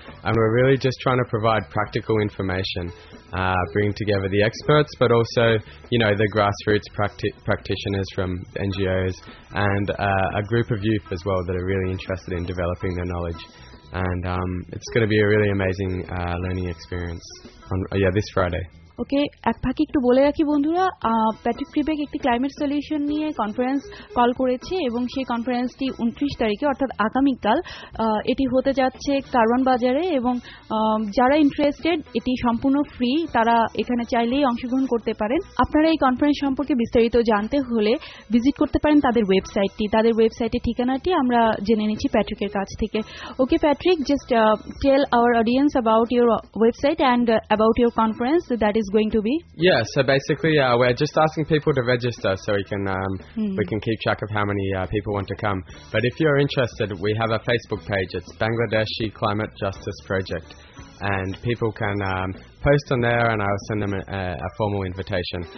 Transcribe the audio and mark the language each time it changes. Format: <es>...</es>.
<en>And we're really just trying to provide practical information, bring together the experts, but also, you know, the grassroots practitioners from NGOs and a group of youth as well that are really interested in developing their knowledge. And it's going to be a really amazing learning experience on this Friday.</en> <bn>ওকে এক ফাঁকে একটু বলে রাখি বন্ধুরা, Patrick ক্রিবেক একটি climate solution নিয়ে conference call করেছে এবং সেই কনফারেন্সটি 29 তারিখে অর্থাৎ আগামীকাল এটি হতে যাচ্ছে কারওয়ান বাজারে, এবং যারা ইন্টারেস্টেড এটি সম্পূর্ণ ফ্রি, তারা এখানে চাইলেই অংশগ্রহণ করতে পারেন। আপনারা এই কনফারেন্স সম্পর্কে বিস্তারিত জানতে হলে ভিজিট করতে পারেন তাদের ওয়েবসাইটটি। তাদের ওয়েবসাইটের ঠিকানাটি আমরা জেনে নিচ্ছি প্যাট্রিকের কাছ থেকে।</bn> <en>Okay Patrick, just tell our audience about your website and about your conference that is going to be? Yeah, so basically we're just asking people to register so we can we can keep track of how many people want to come. But if you're interested, we have a Facebook page. It's Bangladeshi Climate Justice Project, and people can post on there and I'll send them a formal invitation.</en>